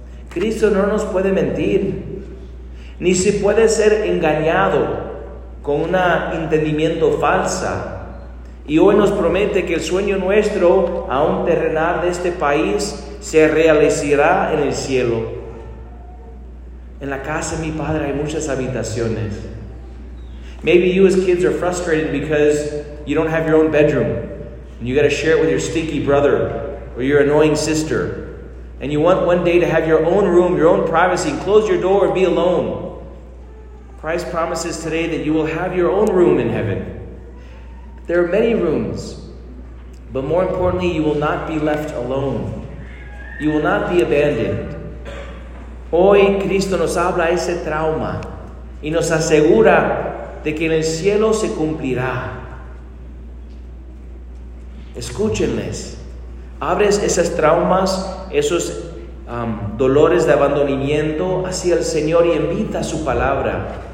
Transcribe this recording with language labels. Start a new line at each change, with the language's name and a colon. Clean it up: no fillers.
Spanish: Cristo no nos puede mentir. Ni se puede ser engañado con un entendimiento falsa. Y hoy nos promete que el sueño nuestro, aún terrenal de este país, se realizará en el cielo. En la casa de mi Padre hay muchas habitaciones.
English: Maybe you as kids are frustrated because you don't have your own bedroom. And you got to share it with your stinky brother or your annoying sister. And you want one day to have your own room, your own privacy, and close your door and be alone. Christ promises today that you will have your own room in heaven. There are many rooms, but more importantly, you will not be left alone. You will not be abandoned.
Spanish: Hoy Cristo nos habla ese trauma y nos asegura de que en el cielo se cumplirá. Escúchenles. Abres esos traumas, esos dolores de abandonamiento hacia el Señor y invita su palabra.